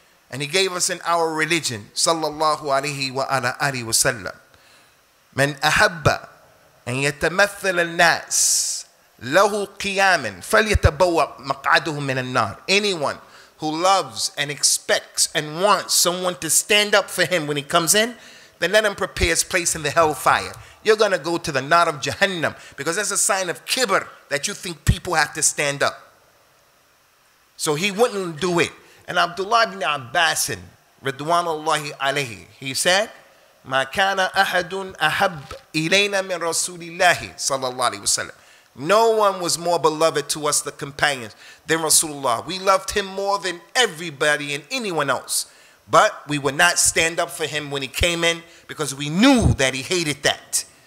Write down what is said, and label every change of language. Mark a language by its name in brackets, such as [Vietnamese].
[English] And he gave us in our religion, sallallahu alayhi wa ala alihi wa sallam, [Arabic] من أحب أن يتمثل الناس له قياما فليتبوأ مقعده من النار. [English] Anyone who loves and expects and wants someone to stand up for him when he comes in, then let him prepare his place in the hellfire. You're going to go to the nar of Jahannam, because that's a sign of kibr, that you think people have to stand up. So he wouldn't do it. And Abdullah ibn Abbas, Ridwanullahi alayhi, he said, [Arabic] مَا كَانَ أَحَدٌ أَحَبْ إِلَيْنَا مِن رَسُولِ اللَّهِ صَلَى اللَّهِ عَلَيْهِ وَسَلَّمَ. [English] No one was more beloved to us, the companions, than Rasulullah. We loved him more than everybody and anyone else. But we would not stand up for him when he came in, because we knew that he hated that.